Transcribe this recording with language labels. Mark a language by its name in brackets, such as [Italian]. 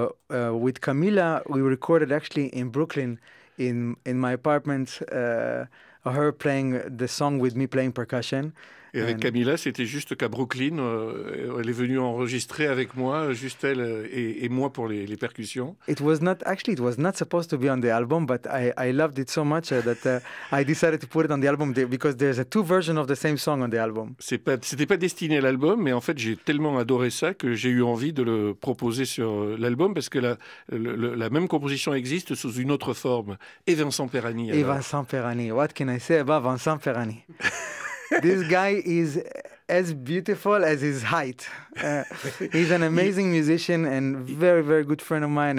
[English] With Camila, we recorded actually in Brooklyn, in my apartment. Her playing the song with me playing percussion. [French] Et avec Camila, c'était juste qu'à Brooklyn, elle est venue enregistrer avec moi, juste elle et moi pour les percussions. [English] It was not supposed to be on the album, but I loved it so much that I decided to put it on the album because there's a two versions of the same song on the album. [French] C'était pas destiné à l'album, mais en fait j'ai tellement adoré ça que j'ai eu envie de le proposer sur l'album parce que la même composition existe sous une autre forme. Et Vincent Perani. [English] Et Vincent Perani. What can I say about Vincent Perani? This guy is as beautiful as his height. He's an amazing musician and very, very good friend of mine.